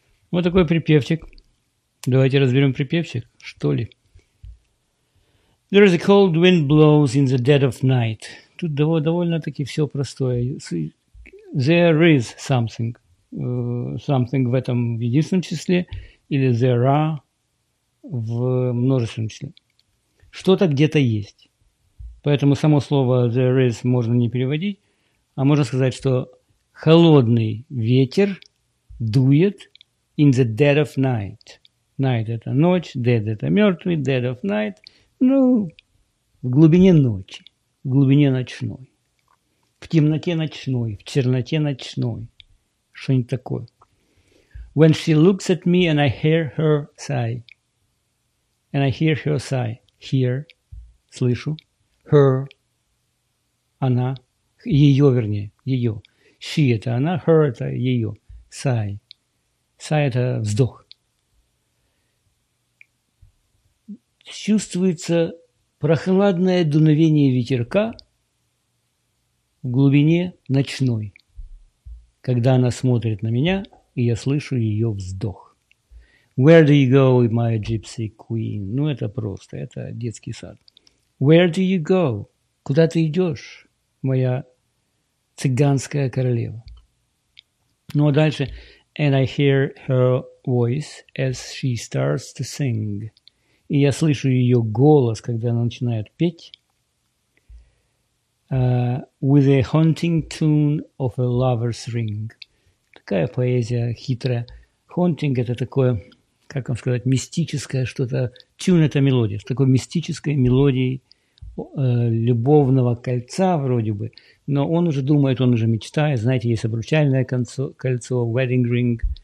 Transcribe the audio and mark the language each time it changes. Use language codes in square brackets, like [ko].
[ru] Вот такой припевчик. Давайте разберем припевчик, что ли. [en] There is a cold wind blows in the dead of night. [ru] Тут довольно-таки все простое. [en] There is something. [ru] Something в этом в единственном числе. Или there are в множественном числе. Что-то где-то есть. Поэтому само слово there is можно не переводить. А можно сказать, что холодный ветер дует [en] in the dead of night. [ru] Night – это ночь, dead – это мертвый, dead of night. Ну, в глубине ночи, в глубине ночной. В темноте ночной, в черноте ночной. Что-нибудь такое. [en] When she looks at me and I hear her sigh. And I hear her sigh. Hear – слышу. Her – она. [ru] Ее, вернее, ее. She – это она. Her – это ее. Sigh. Сай – это вздох. Чувствуется прохладное дуновение ветерка в глубине ночной, когда она смотрит на меня, и я слышу ее вздох. [en] Where do you go, my gypsy queen? [ru] Ну, это просто, это детский сад. [en] Where do you go? [ru] Куда ты идешь, моя цыганская королева? Ну, а дальше... [en] And I hear her voice as she starts to sing. [ru] И я слышу ее голос, когда она начинает петь. [en] With a haunting tune of a lover's ring. [ru] Такая поэзия хитрая. Haunting – это такое, как вам сказать, мистическое что-то. Tune – это мелодия. С такой мистической мелодией любовного кольца вроде бы. Но он уже думает, он уже мечтает. Знаете, есть обручальное кольцо, wedding ring.